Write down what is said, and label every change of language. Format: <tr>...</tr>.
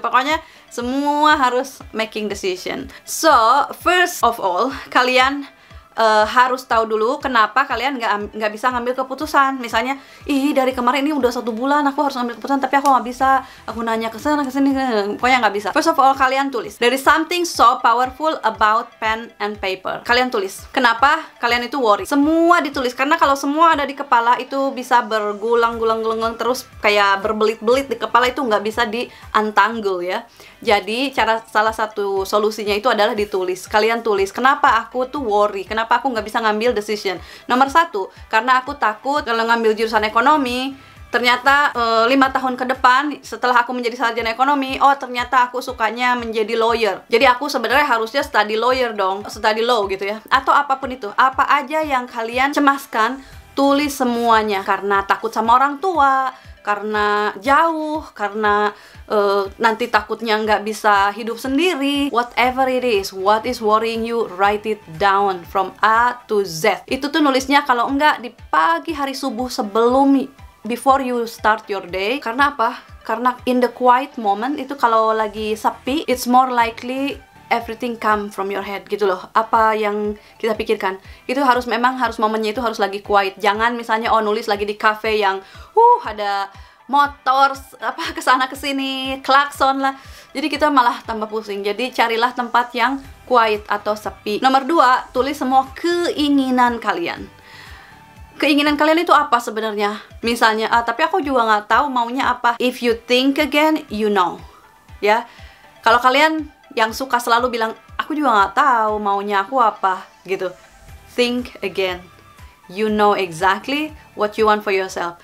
<id>Pokoknya semua harus making decision.</id> <en>So, first of all,</en> <id>kalian harus tahu dulu kenapa kalian nggak bisa ngambil keputusan. Misalnya, dari kemarin ini udah 1 bulan aku harus ngambil keputusan, tapi aku nggak bisa. Aku nanya kesana kesini, pokoknya nggak bisa.</id> <en>First of all,</en> <id>kalian tulis.</id> <en>There is something so powerful about pen and paper.</en> <id>Kalian tulis. Kenapa kalian itu worry? Semua ditulis. Karena kalau semua ada di kepala itu bisa bergulang-gulang-gulang terus kayak berbelit-belit di kepala, itu nggak bisa di-untangle ya. Jadi cara salah satu solusinya itu adalah ditulis. Kalian tulis. Kenapa aku tuh worry? Kenapa aku nggak bisa ngambil decision? Nomor satu, karena aku takut kalau ngambil jurusan ekonomi, ternyata 5 tahun ke depan setelah aku menjadi sarjana ekonomi, ternyata aku sukanya menjadi lawyer. Jadi aku sebenarnya harusnya study lawyer dong,</id> <en>study law</en> <id>gitu ya. Atau apapun itu, apa aja yang kalian cemaskan, tulis semuanya. Karena takut sama orang tua, karena jauh, karena nanti takutnya nggak bisa hidup sendiri.</id> <en>Whatever it is, what is worrying you, write it down from A to Z.</en> <id>Itu tuh nulisnya kalau nggak di pagi hari subuh sebelum,</id> <en>before you start your day.</en> <id>Karena apa?</id> <en>Karena in the quiet moment,</en> <id>itu kalau lagi sepi,</id> <en>it's more likely everything come from your head gitu loh.</en> <id>Apa yang kita pikirkan itu harus, memang harus momennya itu harus lagi quiet. Jangan misalnya nulis lagi di cafe yang ada motor kesana kesini, klakson lah, jadi kita malah tambah pusing. Jadi carilah tempat yang quiet atau sepi. Nomor 2, tulis semua keinginan kalian. Keinginan kalian itu apa sebenarnya? Misalnya, tapi aku juga nggak tahu maunya apa.</id> <en>If you think again, you know.</en> <id>Ya, kalau kalian yang suka selalu bilang, aku juga nggak tahu maunya aku apa, gitu.</id> <en>Think again. You know exactly what you want for yourself.</en>